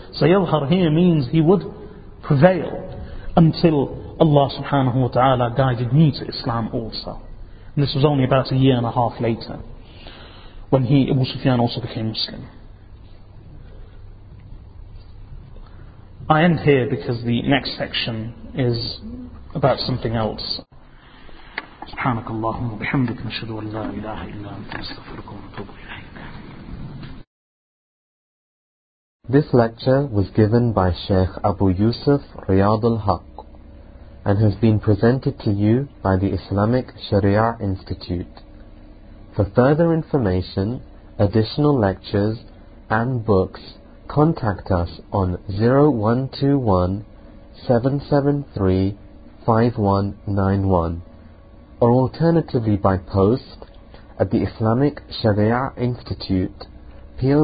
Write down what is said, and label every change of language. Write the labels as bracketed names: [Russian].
[English] Sayyadhar here means he would prevail until Allah subhanahu wa ta'ala guided me to Islam also. And this was only about a year and a half later, when he, Abu Sufyan, also became Muslim. I end here because the next section is about something else. [Arabic] سبحانك اللهم وبحمدك نشهد أن لا إله إلا أنت نستغفرك ونتوب إليك. [English] This lecture was given by Sheikh Abu Yusuf Riyad al-Haq and has been presented to you by the Islamic Sharia Institute. For further information, additional lectures and books, contact us on 0121-773-5191 or alternatively by post at the Islamic Sharia Institute, P.O.